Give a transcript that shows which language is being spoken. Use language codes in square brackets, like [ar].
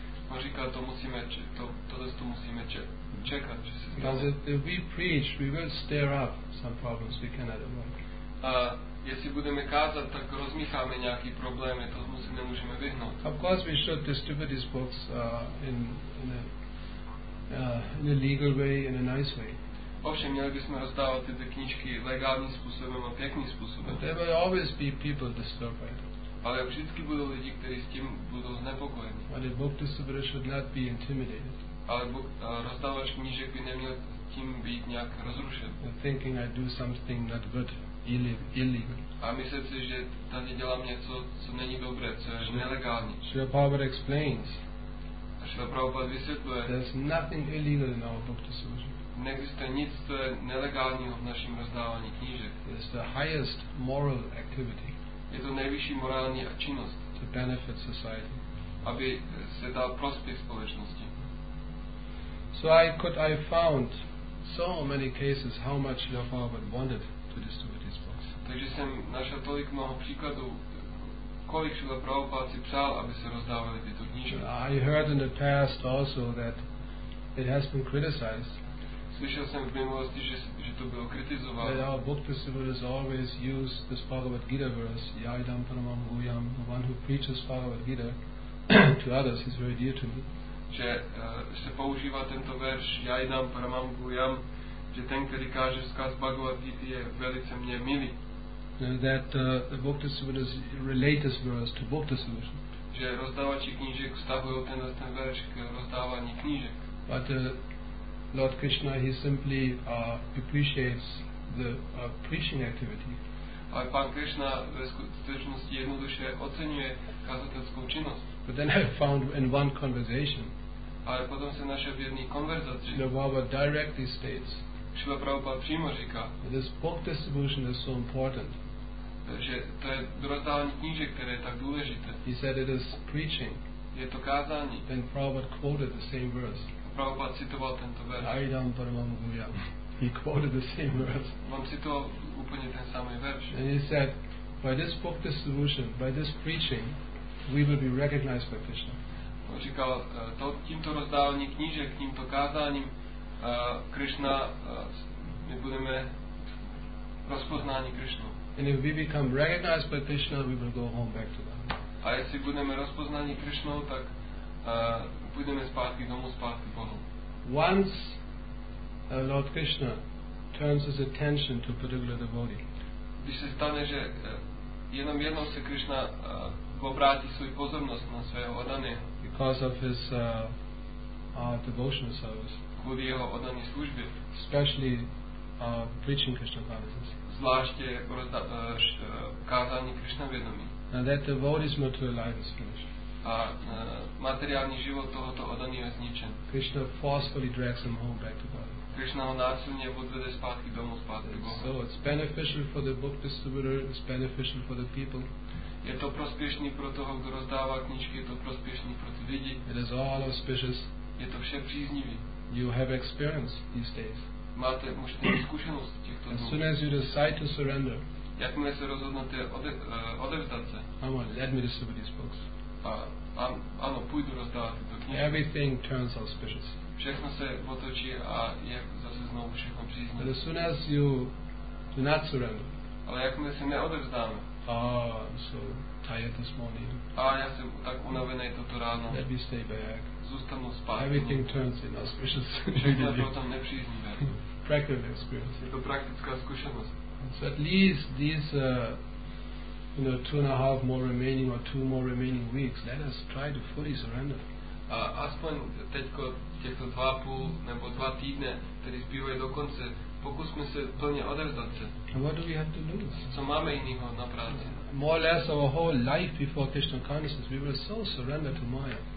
[cs] On říká, to musíme, to musíme čekat, že se stává. [en] Because if we preach, we will stir up some problems we cannot avoid. [cs] Jestli budeme kázat, tak rozmícháme nějaký problémy, to musíme, nemůžeme vyhnout. [en] Of course we should distribute these books in a legal way, in a nice way. [cs] Ovšem, měli bychom rozdávat tyto knížky legálním způsobem a pěkným způsobem. [en] There will always be people disturbed. [cs] Ale vždycky budou lidi, kteří s tím budou znepokojeni. [en] But a book distributor should not be intimidated. [cs] Ale rozdávač knížek by neměl tím být nějak rozrušen. [en] And thinking I do something not good, illegal. [cs] A myslím si, že tady dělám něco, co není dobré, co je nelegální. [en] Srila Prabhupada explains. [cs] Srila Prabhupada vysvětluje. [en] There's nothing illegal in our book distribution. [cs] Neexistuje nic, co je nelegálního v našem rozdávání knížek. [en] It's the highest moral activity. [cs] Je to nejvyšší morální činnost. [en] To benefit society. [cs] Aby se dal prospěch společnosti. [en] So I found so many cases how much Srila Prabhupada wanted to distribute his books. [cs] Takže jsem našel tolik mnoho příkladů, kolik Srila Prabhupada si přál, aby se rozdávaly tyto knížky. [en] I heard in the past also that it has been criticized. [cs] Slyšel jsem v minulosti, že to bylo kritizováno. [en] That our book distributors always use this Bhagavad Gita verse, Yaidam Paramam Guyam, the one who preaches Bhagavad Gita to others is very dear to me. [cs] Že se používá tento verš Yaidam Paramam Guyam, že ten, který káže vzkaz Bhagavad Gita, je velice mně milý. [en] That the book distributors relate this verse to book distribution. [cs] Že rozdávači knížek vztahují ten verš k rozdávání knížek. [en] But Lord Krishna, he simply appreciates the preaching activity. [cs] Ale pan Krishna ve skutečnosti jednoduše oceňuje kazatelskou činnost. [en] But then I found in one conversation. [cs] Ale potom se našel v jedné konverzaci. [en] Srila Prabhupada directly states. [cs] Srila Prabhupada přímo říká. [en] This book distribution is so important. [cs] Že to je rozdávání knížek, které je tak důležité. [en] He said it is preaching. [cs] Je to kázání. [en] Then Prabhupada quoted the same verse. [cs] Prabhupada citoval tento verš. [en] Yaidam Paramam Guyam. He quoted the same verse. [cs] On citoval úplně ten samý verš. [en] And he said, by this book distribution, by this preaching, we will be recognized by Krishna. [cs] On říkal, tímto rozdávání knížek, tímto kázáním, Krishna, my budeme rozpoznáni Krishna. [en] And if we become recognized by Krishna, we will go home back to God. [cs] A jestli budeme rozpoznáni Krishna, tak půjdeme zpátky domů, zpátky Bohu. [en] Once Lord Krishna turns his attention to a particular devotee, [cs] když se stane, že jenom jednou se Krishna obrátí svou pozornost na svého oddaného, [en] because of his devotional service, [cs] kvůli jeho oddané službě, [en] especially preaching Krishna consciousness, [cs] zvláště kázání Krishna vědomí, [en] and that devotee's material life is finished. [cs] A materiální život tohoto odaného je zničen. [en] Krishna forcefully drags him home back to God. [cs] Krishna ho násilně odvede zpátky domů, zpátky k Bohu. [en] So it's beneficial for the book distributor, it's beneficial for the people. [cs] Je to prospěšný pro toho, kdo rozdává knížky, je to prospěšný pro ty lidi. [en] It is all auspicious. [cs] Je to vše příznivý. [en] You have experience these days. [cs] Máte možná zkušenost těchto dnů. [en] As soon as you decide to surrender. [cs] Jakmile se rozhodnete odevzdat se. [en] Come on, let me distribute these books. [cs] Ano, půjdu rozdávat tyto knihy. [en] Everything turns auspicious. [cs] Všechno se otočí a je zase znovu všechno příznivé. [en] But as soon as you do not surrender. [cs] Ale jakmile se neodevzdáme. [en] So tired this morning. [cs] Já jsem tak unavený toto ráno. [en] Let me stay back. [cs] Zůstanu spát. [en] Everything turns in auspicious. [cs] Všechno se potom nepříznivé. [en] Practical experience. [cs] Je to praktická zkušenost. [en] So at least these you know, 2.5 more remaining or 2 more remaining weeks, let us try to fully surrender. [cs] Aspoň teďko těchto 2.5 nebo 2 týdne, které zbývají do konce, pokusme se plně odevzdat se. [en] And what do we have to do? [cs] Co máme jiného na práci? [en] More or less our whole life before Krishna consciousness, we were so surrendered to Maya.